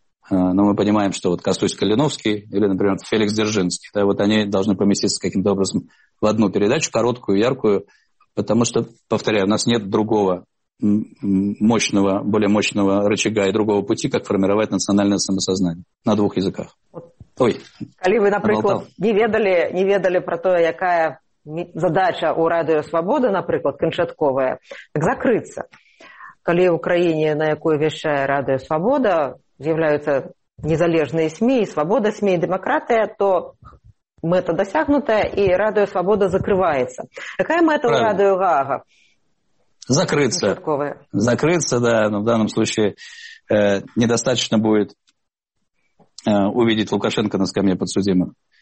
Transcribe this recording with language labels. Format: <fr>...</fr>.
<ru>Но мы понимаем, что вот Косусь-Калиновский или, например, Феликс Дзержинский, да, вот они должны поместиться каким-то образом в одну передачу, короткую, яркую, потому что, повторяю, у нас нет другого мощного, более мощного рычага и другого пути, как формировать национальное самосознание на двух языках.</ru> <be>Калі вы, напрыклад, не ведалі пра тое, якая задача ў Радыё Свабоды, напрыклад, канчатковая, так закрыцца. Калі ў краіне, на якой вяшчае Радыё Свабода, з'яўляюцца незалежныя СМІ, свабода СМІ і дэмакратыя, то мэта дасягнутая і Радыё Свабода закрываецца. Якая мэта ў Радыё ГААГА? Закрыцца.</be> <ru>Закрыцца, да, но в данном случае недостаточно будет увидеть Лукашенко на скамье подсудимых.</ru>